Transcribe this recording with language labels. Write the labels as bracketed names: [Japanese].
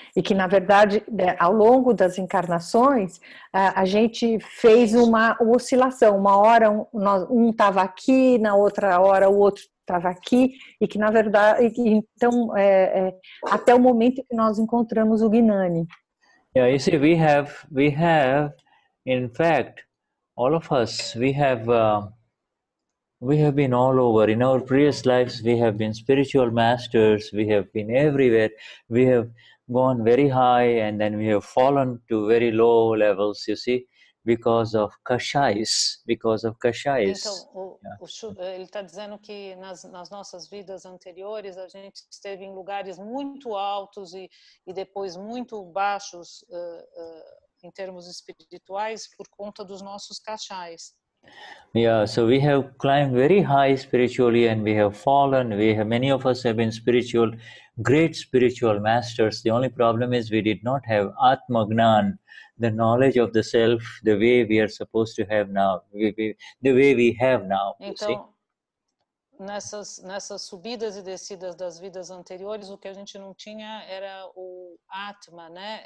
[Portuguese] E que na verdade, ao longo das encarnações, a gente fez uma oscilação. Uma hora um estava aqui, na outra hora o outro estava aqui. E que na verdade, então, até o momento que nós encontramos o Gnani. [English] Yeah, you see, we have, in fact, all of us, we have been all over. In our previous lives, we have been spiritual masters, we have been everywhere. We have gone very high and then we have fallen to very low levels, you see, because of kashais. [Portuguese] Então, ele está dizendo que nas nossas vidas anteriores, a gente esteve em lugares muito altos e depois muito baixos em termos espirituais por conta dos nossos kashais. [English] Yeah, so we have climbed very high spiritually and we have fallen. Many of us have been spiritual, great spiritual masters. The only problem is we did not have Atmagnan, the knowledge of the self, the way we are supposed to have now, the way we have now, you [Portuguese] então, [English] see. [Portuguese] Nessas subidas e descidas das vidas anteriores, o que a gente não tinha era o Atma, né?